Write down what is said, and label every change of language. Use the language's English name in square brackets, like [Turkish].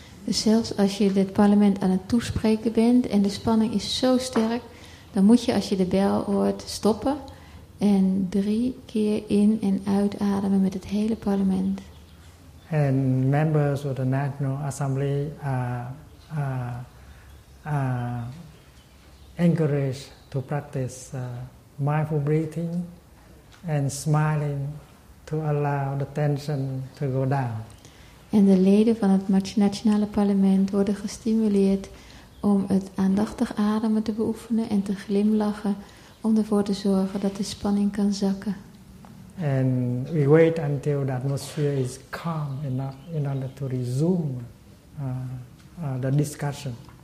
[Dutch] Dus zelfs als je het parlement aan het toespreken bent en de spanning is zo sterk, dan moet je als je de bel hoort stoppen en 3 keer in- en uitademen met het hele parlement. [English] And members of the National Assembly are encouraged to practice mindful breathing and smiling to allow the tension to go down. [Dutch] En de leden van het nationale parlement worden gestimuleerd om het aandachtig ademen te beoefenen en te glimlachen om ervoor te zorgen dat de spanning kan zakken. [English] And we wait until the atmosphere is calm enough in order to resume the discussion.